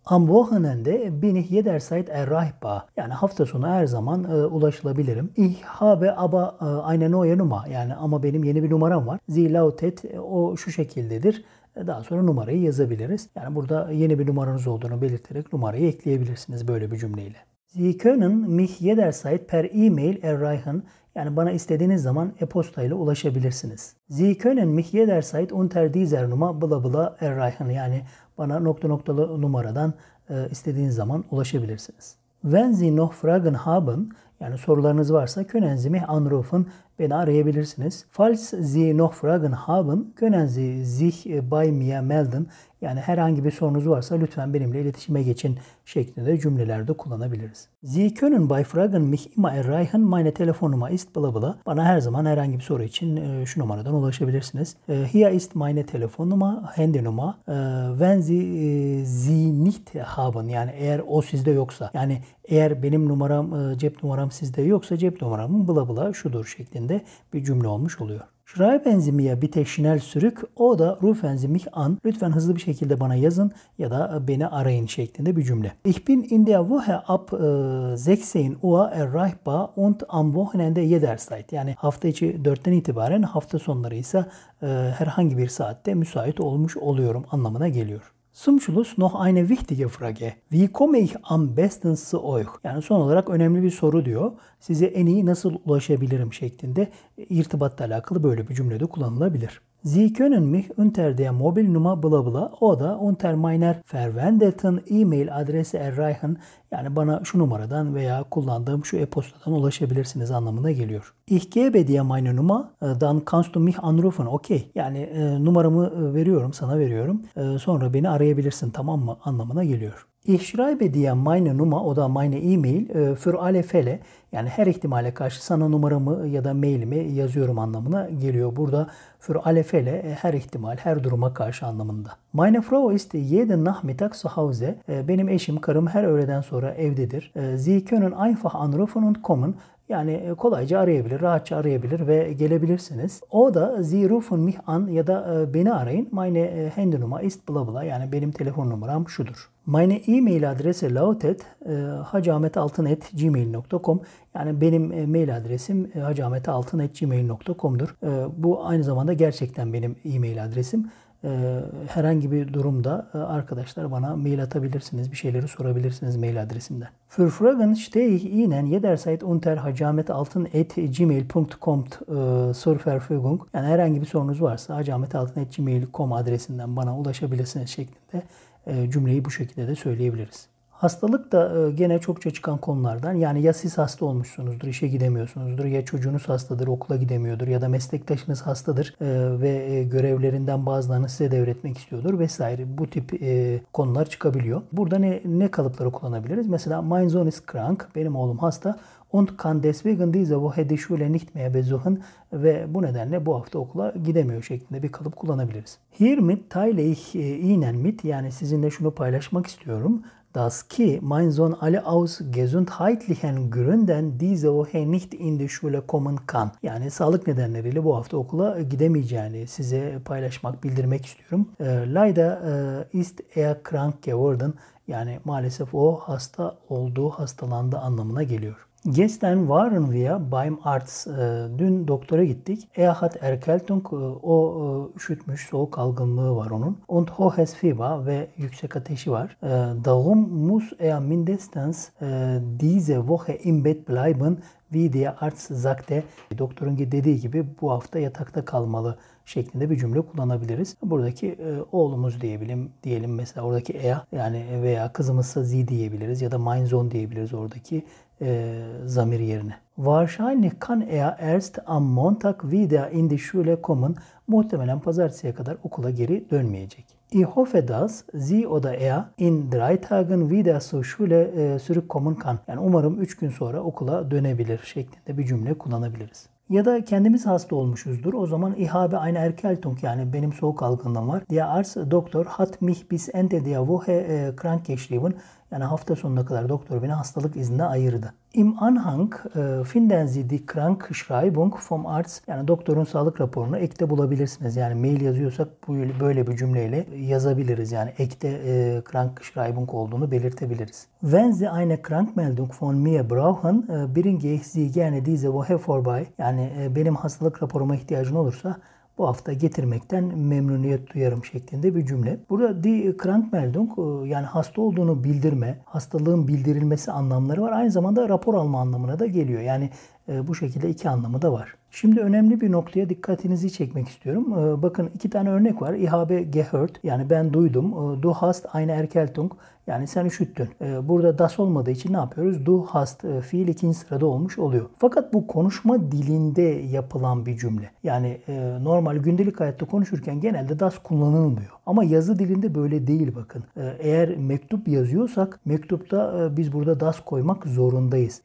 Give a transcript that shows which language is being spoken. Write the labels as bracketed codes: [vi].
[de] Am Wochenende bin ich jederzeit erreichbar. [tr] Yani hafta sonu her zaman ulaşılabilirim. [de] Ich habe aber eine neue Nummer. [tr] Yani ama benim yeni bir numaram var. [de] Sie lautet, [tr] o şu şekildedir. Daha sonra numarayı yazabiliriz. Yani burada yeni bir numaranız olduğunu belirterek numarayı ekleyebilirsiniz böyle bir cümleyle. [de] Sie können mich jederzeit per E-Mail erreichen. [tr] Yani bana istediğiniz zaman e-posta ile ulaşabilirsiniz. [de] Sie können mich jederzeit unter dieser Nummer bla bla erreichen. [tr] Yani bana nokta noktalı numaradan istediğiniz zaman ulaşabilirsiniz. [de] Wenn Sie noch Fragen haben, [tr] yani sorularınız varsa [de] können Sie mich anrufen, [tr] beni arayabilirsiniz. [de] Falls Sie noch Fragen haben, können Sie sich bei mir melden. [tr] Yani herhangi bir sorunuz varsa lütfen benimle iletişime geçin şeklinde cümlelerde kullanabiliriz. [de] Sie können bei Fragen mich immer erreichen, meine Telefonnummer ist bla bla. [tr] Bana her zaman herhangi bir soru için şu numaradan ulaşabilirsiniz. [de] Hier ist meine Telefonnummer, Handynummer. Wenn Sie nicht haben, [tr] yani eğer o sizde yoksa, yani eğer benim numaram, cep numaram sizde yoksa cep numaramın bla bla şudur şeklinde bir cümle olmuş oluyor. [de] Schreiben Sie mir bitte schnell zurück oder rufen Sie mich an. [tr] Lütfen hızlı bir şekilde bana yazın ya da beni arayın şeklinde bir cümle. [de] Ich bin in der Woche ab 16 Uhr erreichbar und am Wochenende jederzeit. [tr] Yani hafta içi 4'ten itibaren hafta sonları ise herhangi bir saatte müsait olmuş oluyorum anlamına geliyor. [de] Zum Schluss noch eine wichtige Frage. Wie komme ich am besten zu euch? [tr] Yani son olarak önemli bir soru diyor. Size en iyi nasıl ulaşabilirim şeklinde irtibatla alakalı böyle bir cümlede kullanılabilir. [de] Sie können mich unter der Mobilnummer bla bla oder unter meiner verwendeten E-Mail Adresse erreichen. [tr] Yani bana şu numaradan veya kullandığım şu e-postadan ulaşabilirsiniz anlamına geliyor. [de] Ich gebe dir meine Nummer, dann kannst du mich anrufen. [en] Okay. [tr] Yani numaramı veriyorum, sana veriyorum. Sonra beni arayabilirsin, tamam mı? Anlamına geliyor. [de] Ich schreibe dir meine Nummer, [tr] o da [de] meine E-Mail, für alle Fälle, [tr] yani her ihtimale karşı sana numaramı ya da mailimi yazıyorum anlamına geliyor. Burada [de] für alle Fälle, [tr] her ihtimal, her duruma karşı anlamında. [de] Meine Frau ist jeden Nachmittag zu Hause. [tr] Benim eşim, karım her öğleden sonra evdedir. [de] Sie können einfach anrufen und kommen. [tr] Yani kolayca arayabilir, rahatça arayabilir ve gelebilirsiniz. O da [de] Sie rufen mich an [tr] ya da beni arayın. [de] Meine Handynummer ist bla bla. [tr] Yani benim telefon numaram şudur. [de] Meine E-Mail adresi lautet [tr] hacametaltin@gmail.com. Yani benim mail adresim hacametaltin@gmail.com'dur. Bu aynı zamanda gerçekten benim e-mail adresim. Herhangi bir durumda arkadaşlar bana mail atabilirsiniz, bir şeyleri sorabilirsiniz mail adresimden. [de] Für Fragen stehe ich Ihnen jederzeit unter hacametaltin@gmail.com zur Verfügung. [tr] Yani herhangi bir sorunuz varsa hacametaltin@gmail.com adresinden bana ulaşabilirsiniz şeklinde cümleyi bu şekilde de söyleyebiliriz. Hastalık da gene çokça çıkan konulardan. Yani ya siz hasta olmuşsunuzdur, işe gidemiyorsunuzdur, ya çocuğunuz hastadır, okula gidemiyordur, ya da meslektaşınız hastadır ve görevlerinden bazılarını size devretmek istiyordur vesaire. Bu tip konular çıkabiliyor. Burada ne kalıpları kullanabiliriz? Mesela [de] mein Sohn ist krank, [tr] benim oğlum hasta. [de] Und kann deswegen diese Woche die Schule nicht mehr besuchen [tr] ve bu nedenle bu hafta okula gidemiyor şeklinde bir kalıp kullanabiliriz. [de] Hiermit teile ich Ihnen mit, [tr] yani sizinle şunu paylaşmak istiyorum. [de] Das ki mein Sohn alle aus gesundheitlichen Gründen diese Woche nicht in die Schule kommen kann. [tr] Yani sağlık nedenleriyle bu hafta okula gidemeyeceğini size paylaşmak, bildirmek istiyorum. [de] Leider ist krank geworden. [tr] Yani maalesef o hasta oldu, hastalandı anlamına geliyor. [de] Gestern waren wir beim Arzt. [tr] Dün doktora gittik. [de] Hat Erkältung. [tr] O üşütmüş, soğuk algınlığı var onun. [de] Und hohes Fieber [tr] ve yüksek ateşi var. [de] Darum muss mindestens diese Woche im Bett bleiben, wie der Arzt sagte. [tr] Doktorun dediği gibi bu hafta yatakta kalmalı şeklinde bir cümle kullanabiliriz. Buradaki oğlumuz diyelim mesela oradaki yani veya kızımızsa Z diyebiliriz ya da [de] mein Sohn [tr] diyebiliriz oradaki zamir yerine. [de] Wahrscheinlich kann erst am Montag wieder in die Schule kommen. [tr] Muhtemelen pazartesiye kadar okula geri dönmeyecek. [de] Ich hoffe, dass Sie oder in drei Tagen wieder zur Schule zurückkommen kann. [tr] Yani umarım 3 gün sonra okula dönebilir şeklinde bir cümle kullanabiliriz. Ya da kendimiz hasta olmuşuzdur. O zaman [de] ich habe eine Erkältung, [tr] yani benim soğuk algınlığım var. [de] Der Arzt Doktor hat mich bis Ende der Woche krank geschrieben. [tr] Yani hafta sonuna kadar doktor beni hastalık iznine ayırdı. [de] Im Anhang finden Sie die Krankschreibung vom Arzt. [tr] Yani doktorun sağlık raporunu ekte bulabilirsiniz. Yani mail yazıyorsak böyle bir cümleyle yazabiliriz. Yani ekte Krankschreibung olduğunu belirtebiliriz. [de] Wenn Sie eine Krankmeldung von mir brauchen, bringe ich Sie gerne diese Woche vorbei. [tr] Yani benim hastalık raporuma ihtiyacın olursa bu hafta getirmekten memnuniyet duyarım şeklinde bir cümle. Burada die Krankmeldung, yani hasta olduğunu bildirme, hastalığın bildirilmesi anlamları var. Aynı zamanda rapor alma anlamına da geliyor. Yani Bu şekilde iki anlamı da var. Şimdi önemli bir noktaya dikkatinizi çekmek istiyorum. Bakın iki tane örnek var. [de] Ich habe gehört, [tr] yani ben duydum. [de] Du hast eine Erkältung, [tr] yani sen üşüttün. Burada das olmadığı için ne yapıyoruz? [de] Du hast [tr] fiil ikinci sırada olmuş oluyor. Fakat bu konuşma dilinde yapılan bir cümle. Yani normal gündelik hayatta konuşurken genelde das kullanılmıyor. Ama yazı dilinde böyle değil bakın. Eğer mektup yazıyorsak mektupta biz burada das koymak zorundayız.